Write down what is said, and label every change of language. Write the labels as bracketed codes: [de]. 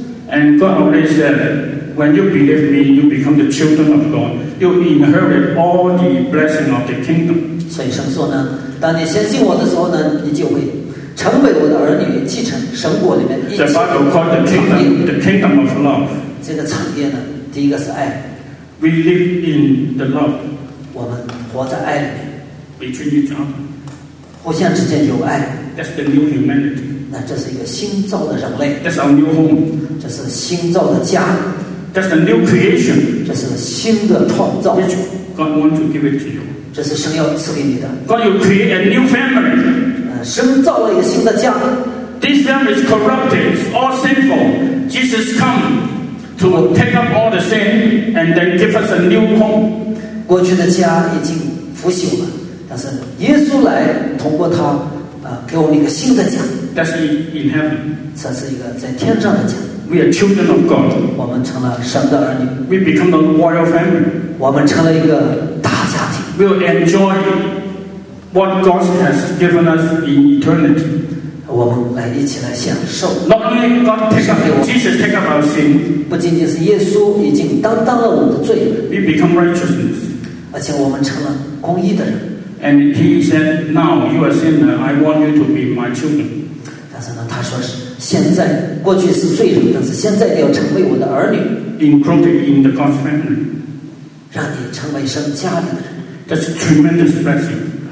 [en] And God already said, when you believe me, you become the children of God. You inherit all the blessing of the kingdom. [zh] 所以神说呢，当你相信我的时候呢，你就会成为我的儿女，继承神国里面一切产业。 [en] The Bible called the kingdom, the kingdom of love. [zh] 这个产业呢，第一个是爱。 [en] We live in the love. [zh] 我们活在爱里面。 [en] Between each other. [zh] 互相之间有爱。 [en] That's the new humanity. [zh] 那这是一个新造的人类。 [en] That's our new home. [zh] 这是新造的家。 [en] That's the new creation. [zh] 这是新的创造。 [en] Which God wants to give it to you. [zh] 这是神要赐给你的。 [en] God will create a new family. [zh] 神造了一个新的家。 [en] This family is corrupted, all sinful. Jesus come to take up all the sin and then give us a new home. [zh] 过去的家已经腐朽了，但是耶稣来，通过他。给我们一个新的家。 [en] That's in heaven. [zh] 这是一个在天上的家。 [en] We are children of God. [zh] 我们成了神的儿女。 [en] We become a royal family. [zh] 我们成了一个大家庭。 [en] We'll enjoy what God has given us in eternity. [zh] 我们来一起来享受。 [en] Not only God take up Jesus take up our sin. [zh] 不仅仅是耶稣已经担当了我们的罪。 [en] We become righteousness. [zh] 而且我们成了公义的人。 [en] And he said, "Now you are sinner. I want you to be my children." [zh] 但是呢，他说是现在，过去是罪人，但是现在要成为我的儿女。 [en] Included in the God's family. [zh] 让你成为神家里的人。 [en] That's tremendous blessing.